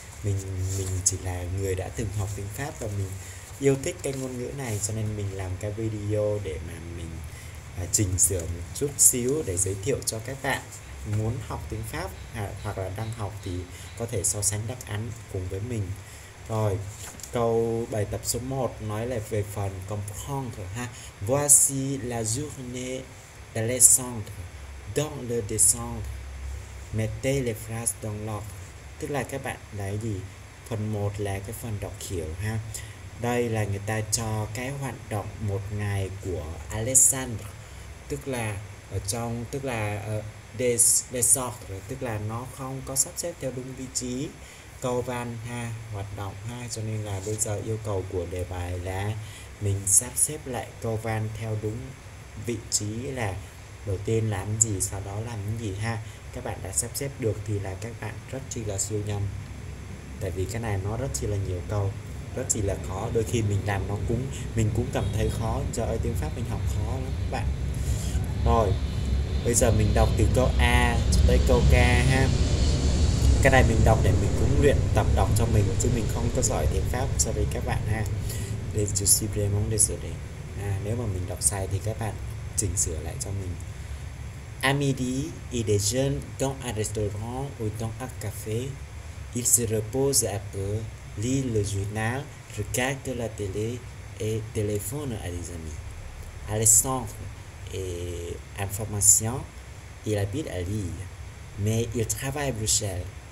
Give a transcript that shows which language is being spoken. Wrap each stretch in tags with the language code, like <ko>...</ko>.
<vi>Mình chỉ là người đã từng học tiếng Pháp và mình yêu thích cái ngôn ngữ này, cho nên mình làm cái video để mà mình chỉnh sửa một chút xíu để giới thiệu cho các bạn muốn học tiếng Pháp hoặc là đang học thì có thể so sánh đáp án cùng với mình. Rồi, câu bài tập số 1 nói là về phần comprendre ha.</vi> <fr>Voici la journée adolescente dans le descente. Mettez les phrases dans l'ordre.</fr> <vi>Tức là các bạn lấy gì? Phần 1 là cái phần đọc hiểu ha. Đây là người ta cho cái hoạt động một ngày của Alexandre, tức là ở trong, tức là desert, tức là nó không có sắp xếp theo đúng vị trí câu văn ha, hoạt động ha. Cho nên là bây giờ yêu cầu của đề bài là mình sắp xếp lại câu văn theo đúng vị trí là đầu tiên làm gì, sau đó làm cái gì ha. Các bạn đã sắp xếp được thì là các bạn rất chi là siêu nhân, tại vì cái này nó rất chi là nhiều câu, rất chi là khó. Đôi khi mình làm nó cũng, mình cũng cảm thấy khó. Trời ơi, tiếng Pháp mình học khó lắm các bạn. Rồi, bây giờ mình đọc từ câu A cho tới câu K ha. Cái này mình đọc để mình cũng luyện tập đọc cho mình, chứ mình không có giỏi tiếng Pháp. Sorry các bạn ha. Để chú xin để mong để sửa đấy. À, nếu mà mình đọc sai thì các bạn chỉnh sửa lại cho mình.</vi> <fr>À midi, il déjeune dans un restaurant ou dans un café. Il se repose un peu, lit le journal, regarde la télé et téléphone à des amis. Alexandre est en formation, il habite à Lille, mais il travaille à Bruxelles.</fr>